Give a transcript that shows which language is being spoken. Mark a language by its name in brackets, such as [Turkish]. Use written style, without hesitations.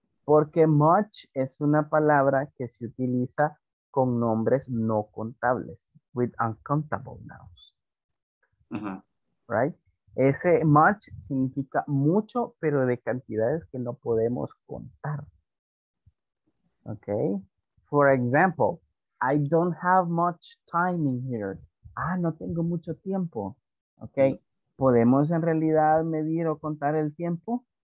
[Spanish] Porque much es una palabra que se utiliza con nombres no contables. [English] With uncountable nouns. Uh-huh. Right? [Spanish] Ese much significa mucho, pero de cantidades que no podemos contar. [English] Ok. For example, I don't have much time in here. [Spanish] Ah, no tengo mucho tiempo. Ok. ¿Podemos en realidad medir o contar el tiempo?